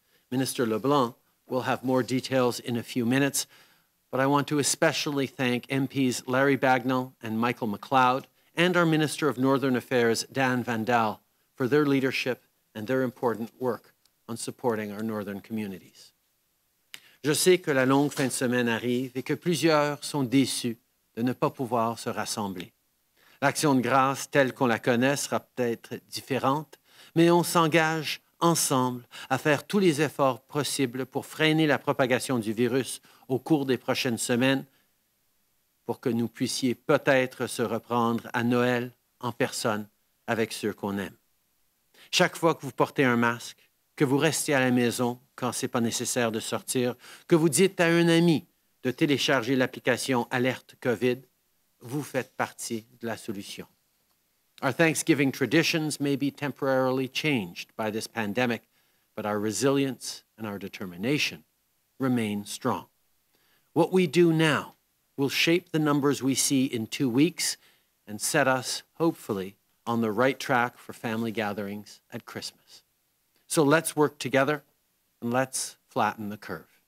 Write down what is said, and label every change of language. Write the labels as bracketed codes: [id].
[en] Minister LeBlanc will have more details in a few minutes, but I want to especially thank MPs Larry Bagnall and Michael McLeod and our Minister of Northern Affairs, Dan Van Dahl, for their leadership and their important work on supporting our northern communities. [fr] Je sais que la longue fin de semaine arrive et que plusieurs sont déçus de ne pas pouvoir se rassembler. L'action de grâce telle qu'on la connaît sera peut-être différente, mais on s'engage ensemble à faire tous les efforts possibles pour freiner la propagation du virus au cours des prochaines semaines pour que nous puissions peut-être se reprendre à Noël en personne avec ceux qu'on aime. Chaque fois que vous portez un masque, que vous restiez à la maison quand ce n'est pas nécessaire de sortir, que vous dites à un ami de télécharger l'application Alerte COVID, vous faites partie de la solution. [en] Our Thanksgiving traditions may be temporarily changed by this pandemic, but our resilience and our determination remain strong. What we do now will shape the numbers we see in 2 weeks and set us, hopefully, on the right track for family gatherings at Christmas. So let's work together and let's flatten the curve.